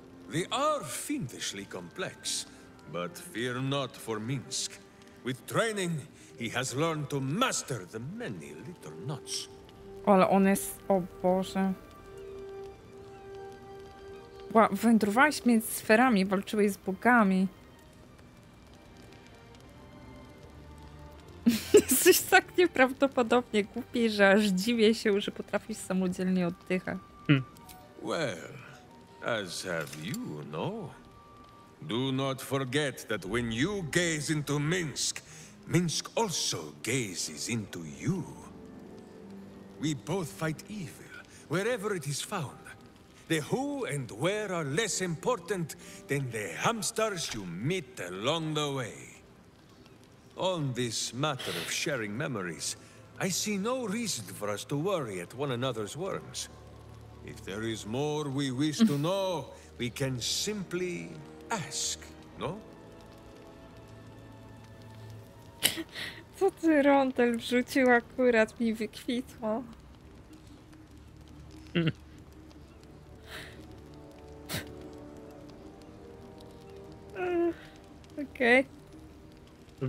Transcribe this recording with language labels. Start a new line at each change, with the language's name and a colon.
English: They are fiendishly complex, but fear not for Minsk. With training, he has learned to master the many little knots.
Polish: Ale on jest... O Boże. Wędrowałeś między sferami, walczyłeś z bogami. Jesteś tak nieprawdopodobnie głupi, że aż dziwię się, że potrafisz samodzielnie oddychać.
English: Well, as have you, no? Do not forget that when you gaze into Minsk, Minsk also gazes into you. We both fight evil, wherever it is found. The who and where are less important than the hamsters you meet along the way. On this matter of sharing memories, I see no reason for us to worry at one another's worms. If there is more we wish to know, we can simply ask, no?
Polish: Co ty, Rondel, wrzucił akurat mi wykwitło? Okej. Okay.